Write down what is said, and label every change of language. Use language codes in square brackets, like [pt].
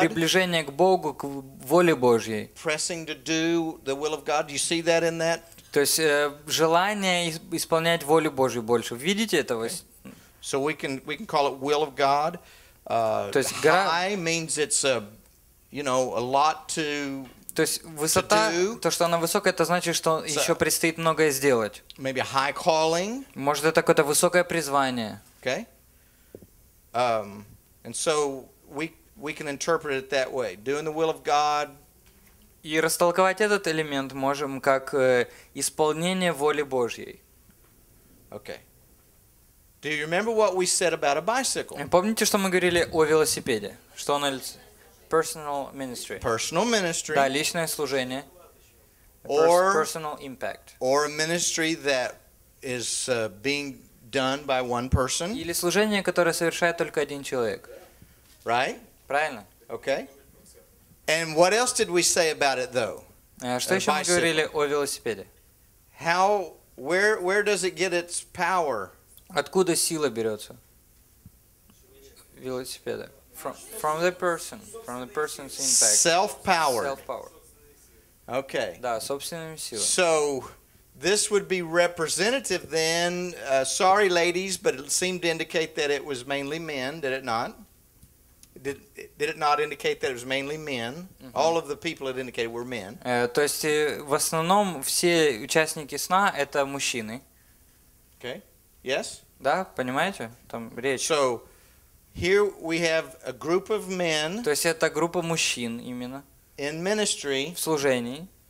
[ru] Приближение к Богу, к воле Божьей. [en] Pressing to do the will of God. Do you see that in that? [ru] То есть желание исполнять волю Божью больше. Видите это? Okay. [en] So we can call it will of God. [ru] То есть God [en] means it's a, you know, a lot to [ru] то есть высота, [en] to do. [ru] То, что она высокая, это значит, что so, еще предстоит многое сделать. [en] Maybe a high calling. [ru] Может, это какое-то высокое призвание. [en] Okay. And so we can interpret it that way. Doing the will of God. [ru] И растолковать этот элемент можем как исполнение воли Божьей. [en] Okay. Do you remember what we said about a bicycle? [ru] Помните, что мы говорили о велосипеде? Что он [en] personal ministry. Personal ministry. [ru] Да, личное служение. [en] Or personal impact. Or a ministry that is being done by one person. [ru] Или служение, которое совершает только один человек. [en] Right? [ru] Правильно. [en] Okay. And what else did we say about it though? [ru] Что еще мы говорили о велосипеде? [en] How, where does it get its power? [ru] Откуда сила берется? Велосипеда. [en] From the person's impact. Self-power. Okay. [ru] Да, собственными силами. [en] So this would be representative then. Sorry, ladies, but it seemed to indicate that it was mainly men, did it not? Did it not indicate that it was mainly men? Mm-hmm. All of the people it indicated were men. [ru] То есть в основном все участники сна это мужчины. [en] Okay. Yes. [ru] Да, понимаете, там речь. [en] So. Here we have a group of men. [ru] То есть это группа мужчин именно. [en] In ministry. [ru] В служении.